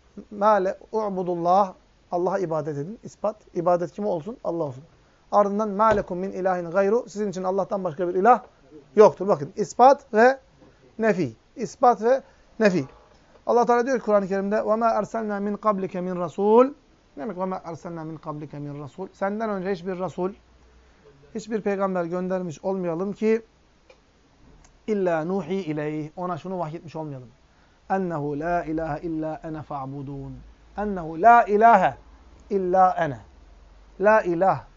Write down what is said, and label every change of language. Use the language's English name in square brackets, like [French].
[Turkish] Mâle u'budullah, Allah'a ibadet edin. İspat. İbadet kime olsun? Allah olsun. Ardından mâlekum min ilahin gayru, sizin için Allah'tan başka bir ilah yoktur. Bakın ispat ve nefi. İspat ve nefi. Allah Teala diyor ki Kur'an-ı Kerim'de [Arabic] وَمَا أَرْسَلْنَا مِنْ قَبْلِكَ مِنْ رَسُولُ. [Turkish] Ne demek [Arabic] وَمَا أَرْسَلْنَا مِنْ قَبْلِكَ مِنْ رَسُولُ. [Turkish] Senden önce hiçbir Rasul, hiçbir peygamber göndermiş olmayalım ki [Arabic] اِلَّا نُوحِي اِلَيْهِ. [Turkish] Ona şunu vahyetmiş olmayalım. [Arabic] اَنَّهُ لَا اِلَٰهَ اِلَّا اَنَا فَعْبُدُونَ. اَنَّهُ لَا اِلَٰهَ اِلَّا اَنَا. La ilah.